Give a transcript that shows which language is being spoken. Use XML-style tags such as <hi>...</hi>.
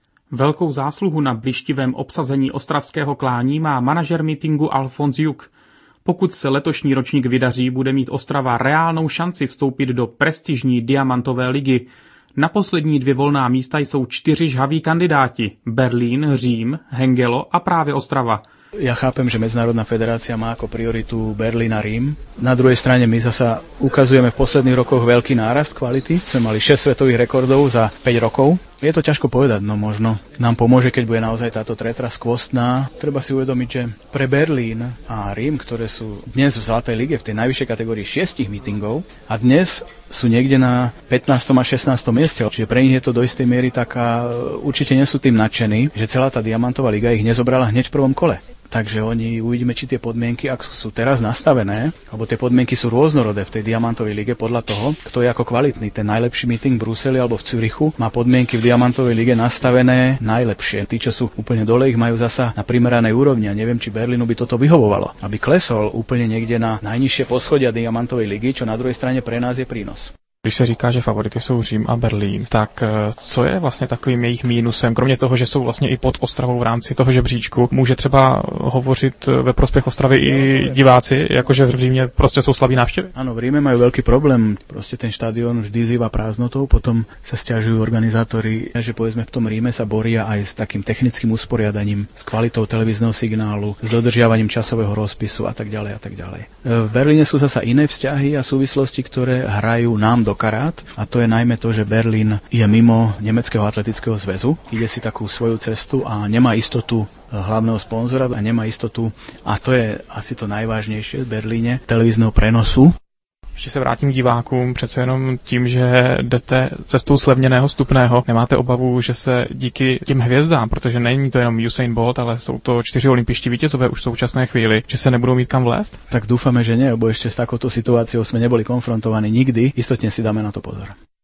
<cs>Velkou zásluhu na blištivém obsazení ostravského klání má manažer meetingu Alfons Juk. Pokud se letošní ročník vydaří, bude mít Ostrava reálnou šanci vstoupit do prestižní diamantové ligy. Na poslední 2 volná místa jsou 4 žhaví kandidáti – Berlín, Řím, Hengelo a právě Ostrava.</cs> <sk>Já chápem, že Mezinárodná federácia má jako prioritu Berlín a Rím. Na druhej strane my zasa ukazujeme v posledných rokoch veľký nárast kvality. Sme mali 6 svetových rekordov za 5 rokov. Je to ťažko povedať, no možno nám pomôže, keď bude naozaj táto tretra skvostná. Treba si uvedomiť, že pre Berlín a Rím, ktoré sú dnes v Zlatej lige v tej najvyššej kategórii 6 meetingov a dnes sú niekde na 15. a 16. mieste, čiže pre nich je to do istej miery taká, určite nie sú tým nadšení, že celá tá diamantová liga ich nezobrala hneď v prvom kole. Takže oni uvidíme, či tie podmienky, ak sú teraz nastavené, alebo tie podmienky sú rôznorodé v tej diamantovej lige podľa toho, kto je ako kvalitný. Ten najlepší meeting v Bruseli alebo v Zürichu má podmienky v diamantovej lige nastavené najlepšie. Tí, čo sú úplne dole, ich majú zasa na primeranej úrovni a neviem, či Berlínu by toto vyhovovalo, aby klesol úplne niekde na najnižšie poschodia diamantovej ligy, čo na druhej strane pre nás je prínos.</sk> <cs>Když se říká, že favority jsou Řím a Berlín, tak co je vlastně takovým jejich mínusem, kromě toho, že jsou vlastně i pod Ostravou v rámci toho žebříčku, může třeba hovořit ve prospěch Ostravy i diváci, jakože v Římě prostě jsou slabí návštěvy? Ano, v Římě mají velký problém, prostě ten stadion vždy zývá prázdnotou, potom se stěžují organizátory,</cs> <sk>že povedzme v tom Rýme se borí aj s takým technickým usporiadaním, s kvalitou televizního signálu, s dodržiavaním časového rozpisu a tak ďalej a tak ďalej. V Berlíne sú zasa iné vzťahy a súvislosti, ktoré hrajú nám do karát, a to je najmä to, že Berlín je mimo Nemeckého atletického zväzu, ide si takú svoju cestu a nemá istotu hlavného sponzora a nemá istotu, a to je asi to najvážnejšie v Berlíne, televízneho prenosu.</sk> <cs>Ještě se vrátím k divákům, přece jenom tím, že jdete cestou slevněného vstupného, nemáte obavu, že se díky těm hvězdám, protože není to jenom Usain Bolt, ale jsou to 4 olympijští vítězové už v současné chvíli, že se nebudou mít kam vlézt? Tak doufáme, že ne, bo ještě s takovou situací jsme nebyli konfrontovaní nikdy, jistotně si dáme na to pozor.</cs>